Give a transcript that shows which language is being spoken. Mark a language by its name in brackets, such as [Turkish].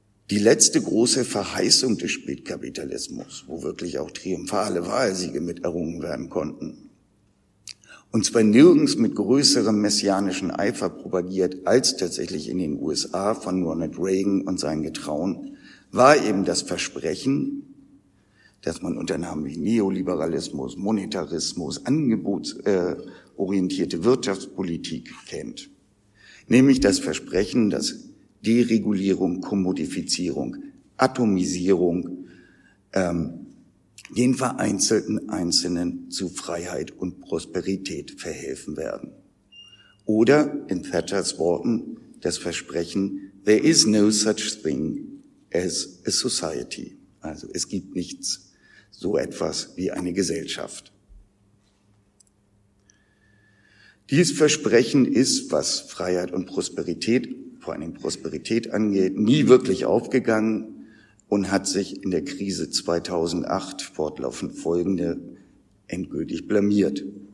[German] Die letzte große Verheißung des Spätkapitalismus, wo wirklich auch triumphale Wahlsiege mit errungen werden konnten, und zwar nirgends mit größerem messianischen Eifer propagiert als tatsächlich in den USA von Ronald Reagan und seinen Getrauen, war eben das Versprechen, dass man unter Namen wie Neoliberalismus, Monetarismus, angebotsorientierte Wirtschaftspolitik kennt. Nämlich das Versprechen, dass Deregulierung, Kommodifizierung, Atomisierung den vereinzelten Einzelnen zu Freiheit und Prosperität verhelfen werden. Oder in Thatchers Worten das Versprechen, [English] there is no such thing as a society. [German] Also es gibt nichts so etwas wie eine Gesellschaft. Dieses Versprechen ist, was Freiheit und Prosperität, vor allem Prosperität angeht, nie wirklich aufgegangen und hat sich in der Krise 2008 fortlaufend folgende endgültig blamiert.